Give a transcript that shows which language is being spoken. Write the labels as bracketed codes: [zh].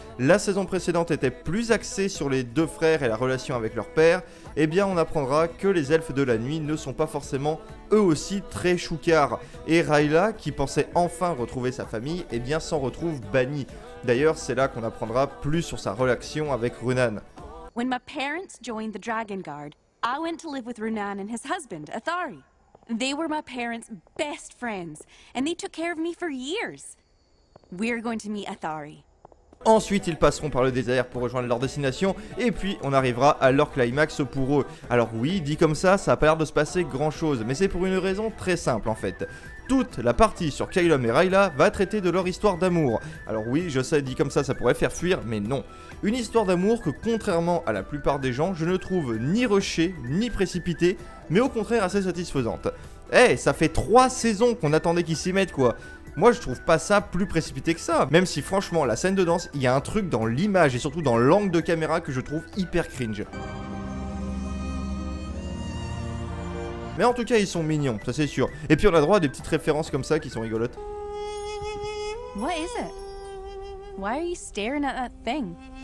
[fr] La saison précédente était plus axée sur les deux frères et la relation avec leur père. Eh bien, on apprendra que les elfes de la nuit ne sont pas forcément eux aussi très choucards. Et Ryla, qui pensait enfin retrouver sa famille, eh bien s'en retrouve bannie. D'ailleurs, c'est là qu'on apprendra plus sur sa relation avec Runan. [en] When my parents joined the Dragon Guard, I went to live with Runan and his husband, Athari. They were my parents' best friends, and they took care of me for years. We're going to meet Athari. [fr] Ensuite, ils passeront par le désert pour rejoindre leur destination, et puis on arrivera à leur climax pour eux. Alors oui, dit comme ça, ça a pas l'air de se passer grand chose, mais c'est pour une raison très simple en fait. Toute la partie sur Kylum et Ryla va traiter de leur histoire d'amour. Alors oui, je sais, dit comme ça, ça pourrait faire fuir, mais non. Une histoire d'amour que, contrairement à la plupart des gens, je ne trouve ni rushée, ni précipitée, mais au contraire assez satisfaisante. Ça fait 3 saisons qu'on attendait qu'ils s'y mettent, quoi. Moi, je trouve pas ça plus précipité que ça. Même si, franchement, la scène de danse, il y a un truc dans l'image et surtout dans l'angle de caméra que je trouve hyper cringe. Mais en tout cas, ils sont mignons, ça c'est sûr. Et puis on a droit à des petites références comme ça qui sont rigolotes. [en] What is it? Why are you staring at that thing?